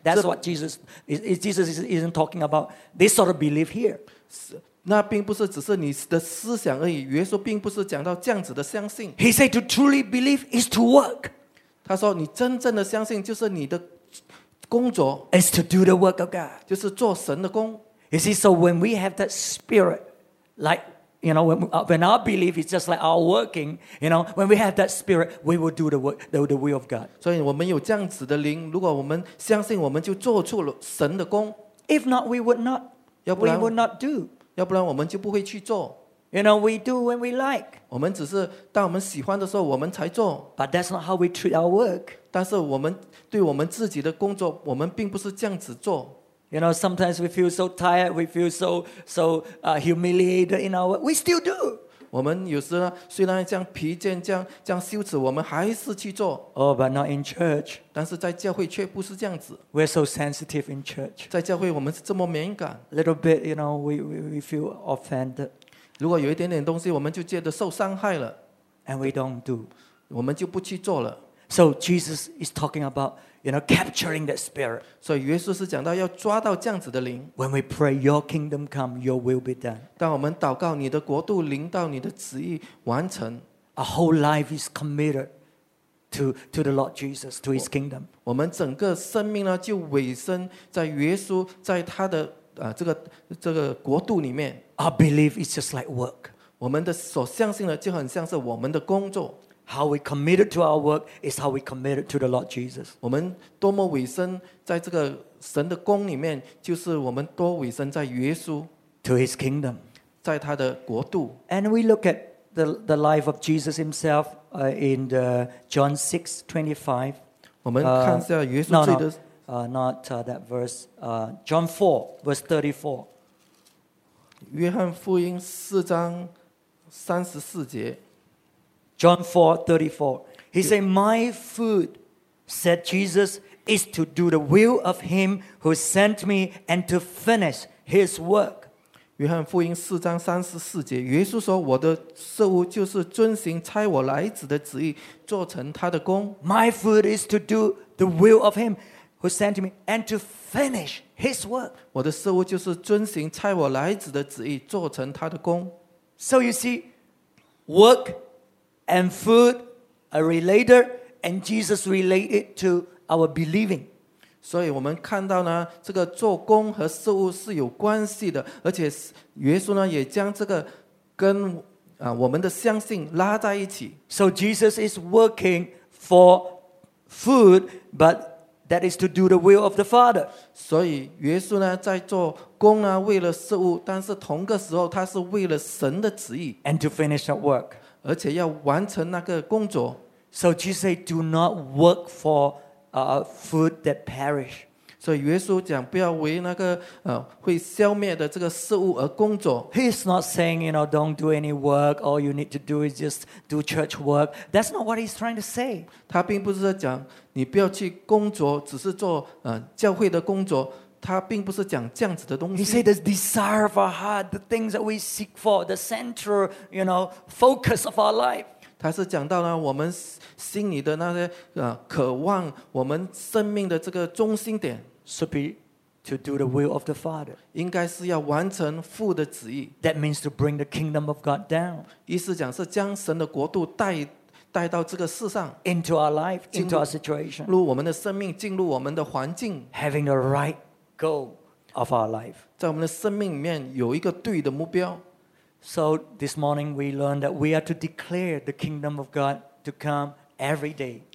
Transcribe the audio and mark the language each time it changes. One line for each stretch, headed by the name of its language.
English: That's what Jesus isn't talking about. This sort of belief here.
Chinese: 那并不是只是你的思想而已，耶稣并不是讲到这样子的相信。
English: He said to truly believe is to work.
Chinese: 他说你真正的相信就是你的工作。
English: Is to do the work of God.
Chinese: 就是做神的工。
English: You see, so when we have that spirit, like, you know, when our belief is just like our working, you know, when we have that spirit, we will do the work, the will of God.
Chinese: 所以我们有这样子的灵，如果我们相信，我们就做出了神的工。
English: If not, we would not.
Chinese: 要不然
English: we would not do.
Chinese: 要不然我们就不会去做。
English: You know, we do when we like.
Chinese: 我们只是当我们喜欢的时候我们才做。
English: But that's not how we treat our work.
Chinese: 但是我们对我们自己的工作我们并不是这样子做。
English: You know, sometimes we feel so tired, we feel so humiliated in our work. We still do.
Chinese: 我们有时呢虽然这样疲倦这样这样羞耻我们还是去做。
English: Oh, but not in church.
Chinese: 但是在教会却不是这样子。
English: We're so sensitive in church.
Chinese: 在教会我们是这么敏感。
English: Little bit, you know, we feel offended.
Chinese: 如果有一点点东西我们就觉得受伤害了。
English: And we don't do.
Chinese: 我们就不去做了。
English: So Jesus is talking about, you know, capturing that spirit.
Chinese: 所以耶稣是讲到要抓到这样子的灵。
English: When we pray, your kingdom come, your will be done.
Chinese: 当我们祷告你的国度临到你的旨意完成。
English: A whole life is committed. To the Lord Jesus, to his kingdom.
Chinese: 我们整个生命呢就委身在耶稣在他的这个国度里面。
English: Our belief is just like work.
Chinese: 我们的所相信的就很像是我们的工作。
English: How we committed to our work is how we committed to the Lord Jesus.
Chinese: 我们多么委身在这个神的工里面就是我们多委身在耶稣。
English: To his kingdom.
Chinese: 在他的国度。
English: And we look at the life of Jesus himself. In the John 6:25,
Chinese: 我们看一下耶稣自己的。
English: Not that verse. John 4:34.
Chinese: 约翰福音四章三十四节。
English: John 4:34. He said, "My food," said Jesus, "is to do the will of Him who sent me and to finish His work."
Chinese: 约翰福音四章三十四节，耶稣说：“我的食物就是遵行差我来子的旨意，做成他的工。”
English: My food is to do the will of Him who sent me and to finish His work.
Chinese: 我的食物就是遵行差我来子的旨意，做成他的工。
English: So you see, work and food are related, and Jesus related to our believing.
Chinese: 所以我们看到呢，这个做工和事物是有关系的，而且耶稣呢也将这个跟我们的相信拉在一起。
English: So Jesus is working for food, but that is to do the will of the Father.
Chinese: 所以耶稣呢在做工啊，为了事物，但是同个时候他是为了神的旨意。
English: And to finish that work.
Chinese: 而且要完成那个工作。
English: So Jesus said, "Do not work for food that perish."
Chinese: 所以耶稣讲不要为那个会消灭的这个事物而工作。
English: He is not saying, you know, don't do any work. All you need to do is just do church work. That's not what he's trying to say.
Chinese: 他并不是讲你不要去工作，只是做教会的工作。他并不是讲这样子的东西。
English: He said the desire of our heart, the things that we seek for, the central, you know, focus of our life.
Chinese: 他是讲到了我们心里的那些渴望，我们生命的这个中心点
English: should be to do the will of the Father.
Chinese: 应该是要完成父的旨意。
English: That means to bring the kingdom of God down.
Chinese: 意思讲是将神的国度带到这个世上
English: into our life, into our situation.
Chinese: 进入我们的生命，进入我们的环境
English: having the right goal of our life.
Chinese: 在我们的生命里面有一个对的目标。
English: So this morning we learned that we are to declare the kingdom of God to come every day.